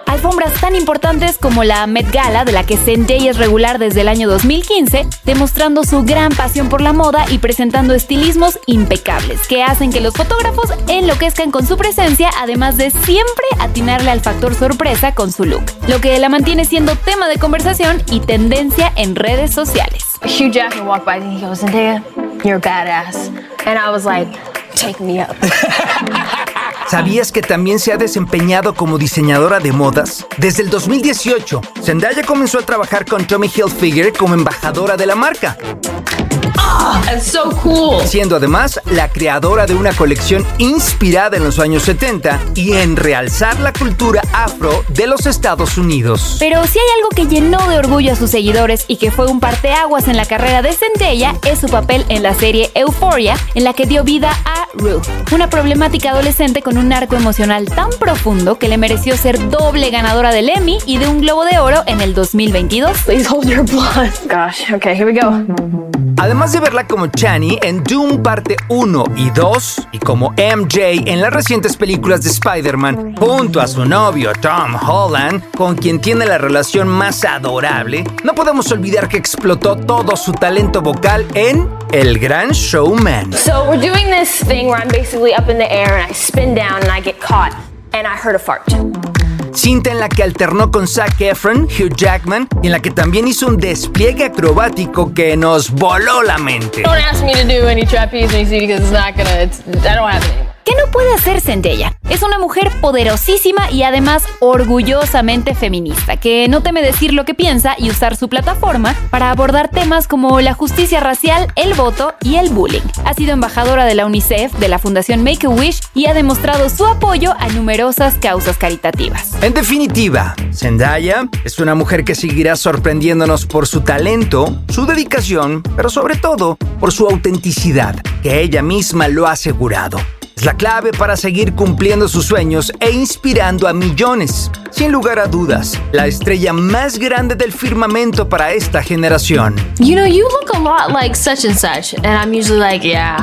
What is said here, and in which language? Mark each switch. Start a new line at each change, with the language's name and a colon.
Spanish: Alfombras tan importantes como la Met Gala, de la que Zendaya es regular desde el año 2015, demostrando su gran pasión por la moda y presentando estilismos impecables que hacen que los fotógrafos enloquezcan con su presencia, además de siempre atinarle al factor sorpresa con su look, lo que la mantiene siendo tema de conversación y tendencia en redes sociales.
English: Hugh Jackman walked by and he goes, Zendaya, you're badass. And I was like, take me up.
Spanish: ¿Sabías que también se ha desempeñado como diseñadora de modas? Desde el 2018, Zendaya comenzó a trabajar con Tommy Hilfiger como embajadora de la marca.
English: That's so cool.
Spanish: Siendo además la creadora de una colección inspirada en los años 70 y en realzar la cultura afro de los Estados Unidos. Pero si hay algo que llenó de orgullo a sus seguidores y que fue un parteaguas en la carrera de Zendaya es su papel en la serie Euphoria, en la que dio vida a Ruth, una problemática adolescente con un arco emocional tan profundo que le mereció ser doble ganadora del Emmy y de un Globo de Oro en el 2022.
English: Please hold your blood. Gosh, okay, here we go.
Spanish: Además de verla como Chani en Doom Parte 1 y 2 y como MJ en las recientes películas de Spider-Man junto a su novio Tom Holland, con quien tiene la relación más adorable, no podemos olvidar que explotó todo su talento vocal en El Gran Showman.
English: So we're doing this thing where I'm basically up in the air and I spin down and I get caught and I heard a fart.
Spanish: Cinta en la que alternó con Zac Efron, Hugh Jackman, y en la que también hizo un despliegue acrobático que nos voló la mente.
English: Don't ask me to do any trapeze when you see because it's not gonna. I don't have any.
Spanish: ¿Qué no puede hacer Zendaya? Es una mujer poderosísima y además orgullosamente feminista, que no teme decir lo que piensa y usar su plataforma para abordar temas como la justicia racial, el voto y el bullying. Ha sido embajadora de la UNICEF, de la Fundación Make-A-Wish y ha demostrado su apoyo a numerosas causas caritativas. En definitiva, Zendaya es una mujer que seguirá sorprendiéndonos por su talento, su dedicación, pero sobre todo por su autenticidad, que ella misma lo ha asegurado. Es la clave para seguir cumpliendo sus sueños e inspirando a millones. Sin lugar a dudas, la estrella más grande del firmamento para esta generación.
English: You know, you look a lot like such and such, and I'm usually like, yeah.